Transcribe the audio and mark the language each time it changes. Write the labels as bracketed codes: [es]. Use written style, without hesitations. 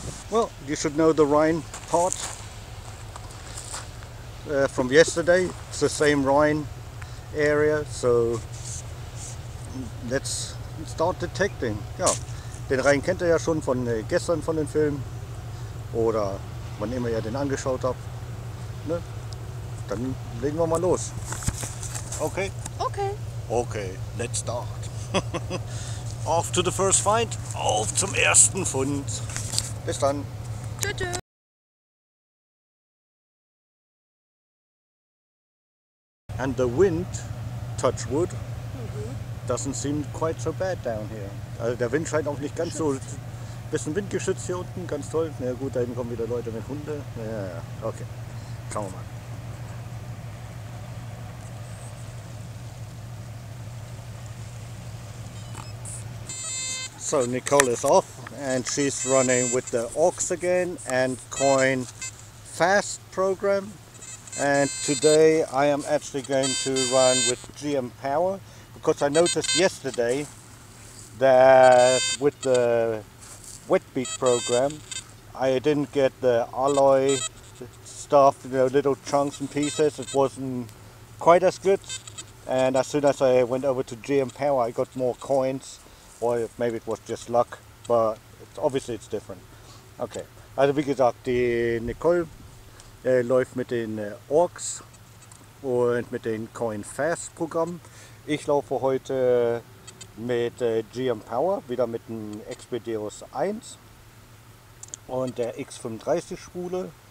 [en] Well, you should know the Rhine part from yesterday. It's the same Rhine area, so let's start detecting. [de] Ja, den Rhein kennt ihr ja schon von gestern von den Filmen oder wann immer ihr den angeschaut habt. Ne? Dann legen wir mal los. Okay. Okay, [en] let's start. Off to the first find. [de] Auf zum ersten Fund. Bis dann. Tschüss. Tschü. [en] And the wind, touch wood, doesn't seem quite so bad down here. [de] Also der Wind scheint auch nicht ganz so. Bisschen windgeschützt hier unten, ganz toll. Na gut, da hinten kommen wieder Leute mit Hunde. Ja, okay. Schauen wir mal. [en] So Nicole is off and she's running with the aux again and coin fast program, and today I am actually going to run with GM power because I noticed yesterday that with the wet beat program I didn't get the alloy stuff, you know, little chunks and pieces. It wasn't quite as good, and as soon as I went over to GM power I got more coins. Or maybe it was just luck, but obviously it's different. [de] Okay, also wie gesagt, die Nicole läuft mit den Orks und mit dem Coin Fast Programm. Ich laufe heute mit GM Power, wieder mit dem Expedeus 1 und der X35 Spule.